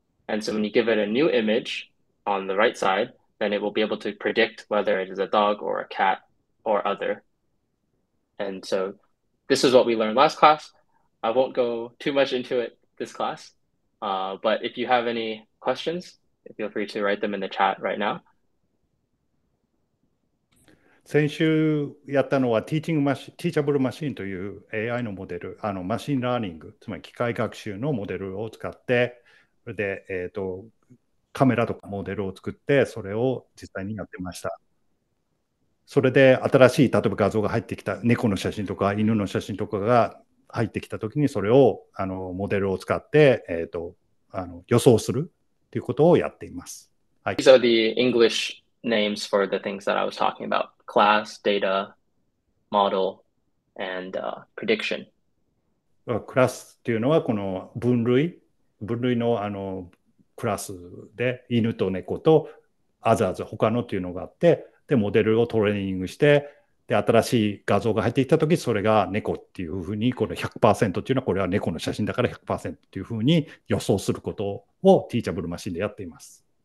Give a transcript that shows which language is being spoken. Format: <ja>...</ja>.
<en>And so when you give it a new image on the right side, then it will be able to predict whether it is a dog or a cat or other. And so this is what we learned last class. I won't go too much into it this class, but if you have any questions, feel free to write them in the chat right now.</en> <ja>先週やったのはティーチャブルマシンという AI のモデル、マシンラーニング、つまり機械学習のモデルを使って、それで、カメラとかモデルを作って、それを実際にやってました。それで、新しい、例えば画像が入ってきた猫の写真とか犬の写真とかが入ってきたときにそれをモデルを使って予想するっていうことをやっています。はい。</ja> <en>These are the English names for the things that I was talking about: class, data, model, and prediction.</en> <ja>クラスっていうのはこの分類のクラスで犬と猫とアザーズ他のっていうのがあって、でモデルをトレーニングして、で新しい画像が入ってきた時それが猫っていうふうに、この100%っていうのはこれは猫の写真だから100%っていうふうに予想することをティーチャブルマシンでやっています。</ja>